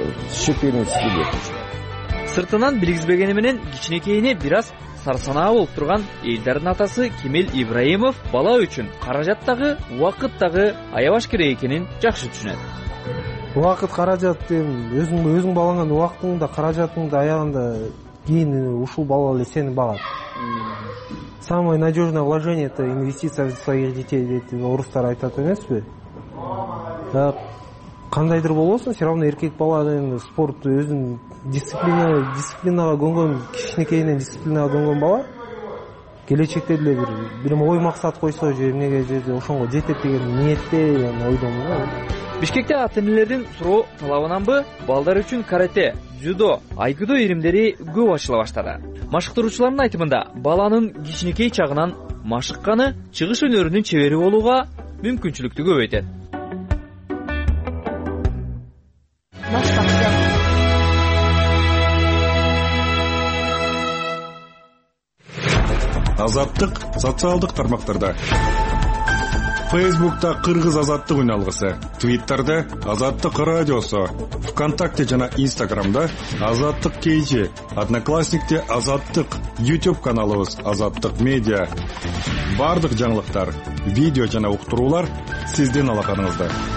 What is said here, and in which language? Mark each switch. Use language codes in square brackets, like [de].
[ky] Сыртынан билгизбегени менен кичинекейине бир аз сарсанаа болуп турган Элдардын атасы Кемел Ибраимов бала үчүн каражат дагы, убакыт дагы аябаш керек экенин жакшы түшүнөт. Убакыт каражат деп, өзүң балаңа убактыңды да, каражатыңды да аягында кийин ушул бала эле сени багат. [ru] Самое надежное вложение это инвестиция в своих детей [ky] деп орустар айтат эмеспи? Кандайдыр болосун, все равно эркек бала спорт өзүн дисциплинага көнгөн, кичинекейинен дисциплинага көнгөн бала келечекте деле бир ой максат койсо же эмнеге жерде ошонго жетет деген ниетте ойдомун. Бишкекте ата-энелердин суроо талабынанбы балдар үчүн карате, дзюдо, айкидо иримдери көп ачыла баштады. Машыктыруучулардын айтымында баланын кичинекей чагынан машыкканы чыгыш өнөрүнүн чебери болууга мүмкүнчүлүктү көбөйтөт. Азаттык социалдык тармактарда. Facebook'ta Кыргыз Азаттык үналгысы, Twitter'da Азаттык радиосу, ВКонтакте жана Instagram'da Азаттык кейжи, Одноклассникте Азаттык, YouTube каналыбыз Азаттык медиа. Бардык жаңылыктар, видео жана уктуруулар сиздин алаканыңызда.